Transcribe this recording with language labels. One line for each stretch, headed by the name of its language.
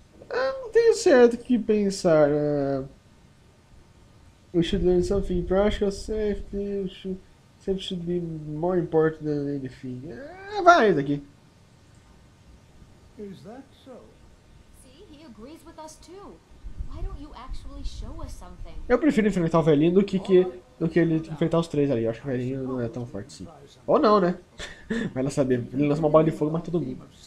Portuguese: Não tenho certo o que pensar.
English: We should learn something practical. Safety should be more important than anything.
Portuguese: Vai daqui.
English: Is that so? See, he agrees with us too. Why don't you actually show us something?
Portuguese: Eu prefiro enfrentar o velhinho do que ele enfrentar os três ali. Eu acho que o velhinho não é tão forte assim. Ou não, né? Vai lá saber. Ele lança uma bola de fogo, mata todo mundo.